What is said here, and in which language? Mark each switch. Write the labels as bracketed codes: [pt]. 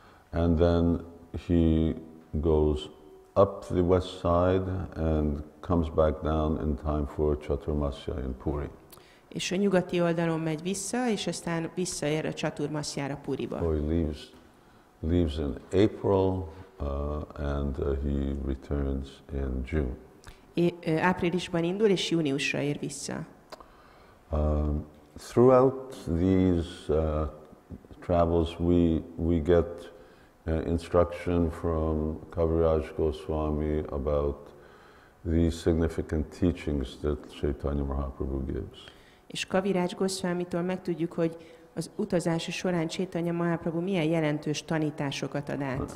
[en] And then he goes up the west side and comes back down in time for Chaturmasya in Puri. [hu] És a nyugati oldalon megy vissza, és aztán visszaér a Chaturmasyára Puriba. [en] So he leaves in April and he returns in June. [hu] Áprilisban indul, és júniusra ér vissza. [en] Throughout these travels we get instruction from Kaviraj Goswami about the significant teachings that Chaitanya Mahaprabhu gives. [hu] És Kaviraj Goswamitól megtudjuk, hogy az utazása során Chaitanya Mahaprabhu milyen jelentős tanításokat ad át.